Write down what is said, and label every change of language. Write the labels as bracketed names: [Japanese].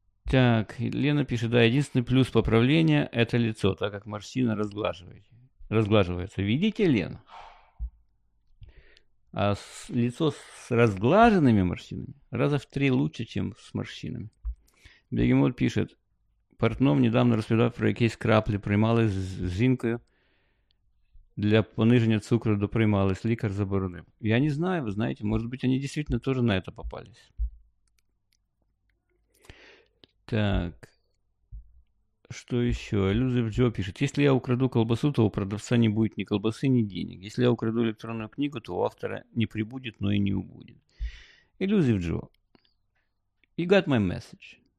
[Russian] Так, Лена пишет, да, единственный плюс поправления – это лицо, так как морщина разглаживается. Видите, Лена? А лицо с разглаженными морщинами раза в три лучше, чем с морщинами. [Ukrainian] Бегемот [Russian] пишет, [Ukrainian] Портном недавно розповідав про якісь краплі, приймали з жінкою для пониження цукру, доприймались, лікар заборонив. Я не знаю, ви знаєте, може бути, вони дійсно теж на це попались. Так, що ще? Люзеф Джо пише, якщо я украду колбасу, то у продавця не буде ні колбаси, ні денег. Якщо я украду електронну книгу, то у автора не прибуде, но і не убуде. [English] Люзеф Джо, you got my message.